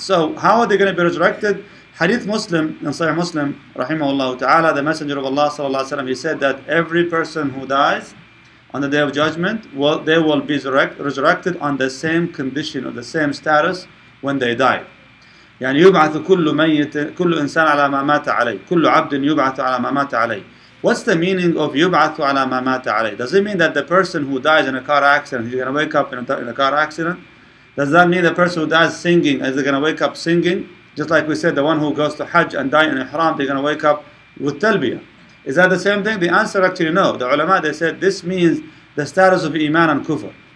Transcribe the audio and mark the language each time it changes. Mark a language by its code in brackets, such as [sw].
[en] So how are they going to be resurrected? Hadith Muslim, in Sahih Muslim, rahimahullah ta'ala, the Messenger of Allah sallallahu alayhi wa sallam, he said that every person who dies on the Day of Judgment, well, they will be resurrected on the same condition or the same status when they died. [ar] يعني يبعث كل ميت كل إنسان على ما مات عليه كل عبد يبعث على ما مات عليه. [en] What's the meaning of [ar] يُبْعَثُ عَلَى مَا مَاتَ عَلَيْهِ? [en] Does it mean that the person who dies in a car accident, he's going to wake up in a car accident? Does that mean the person who dies singing, is he going to wake up singing? Just like we said, the one who goes to Hajj and die in Ihram, they're going to wake up with Talbiyah. Is that the same thing? The answer actually no. The ulama, they said this means the status of Iman and Kufr.